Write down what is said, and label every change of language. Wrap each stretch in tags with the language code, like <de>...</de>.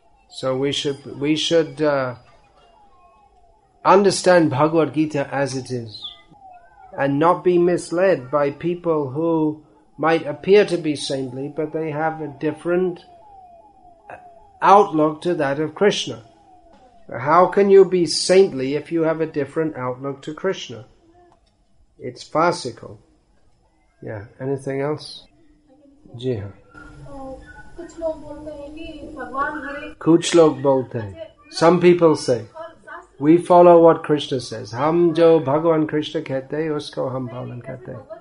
<en>So we should understand Bhagavad Gita as it is, and not be misled by people who might appear to be saintly, but they have a different outlook to that of Krishna. How can you be saintly if you have a different outlook to Krishna? It's farcical. Yeah, anything else?</en> <hi>Jiha. कुछ लोग बोलते.</hi> <en>Some people say, we follow what Krishna says.</en> <hi>हम जो भगवान कृष्ण कहते, उसको हम पालन कहते.</hi>